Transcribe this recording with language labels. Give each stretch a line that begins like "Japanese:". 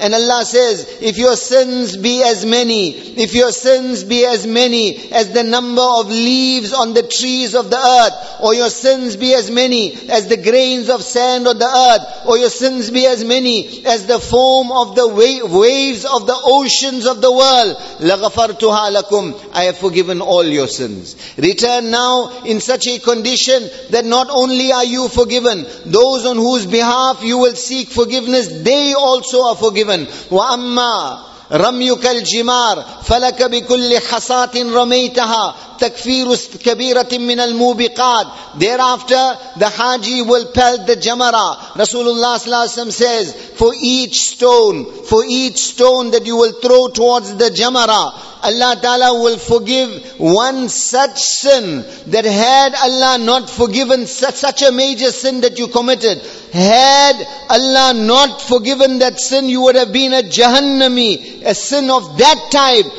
English: And Allah says, if your sins be as many, if your sins be as many as the number of leaves on the trees of the earth, or your sins be as many as the grains of sand on the earth, or your sins be as many as the foam of the waves of the oceans of the world,
Arabic: laghafartuha lakum,
English: I have forgiven all your sins. Return now in such a condition that not only are you forgiven, those on whose behalf you will seek forgiveness, they also are forgiven.
Arabic: Wa amma رميك الجمار فلك بكل حصات رميتها تكفير كبيرة من الموبقات.
English: Thereafter the haji will pelt the jamara. Rasulullah sallallahu alaihi wasallam says, for each stone that you will throw towards the jamara, Allah Ta'ala will forgive one such sin. That had Allah not forgiven such a major sin that you committed, had Allah not forgiven that sin, you would have been a jahannami, a sin of that type.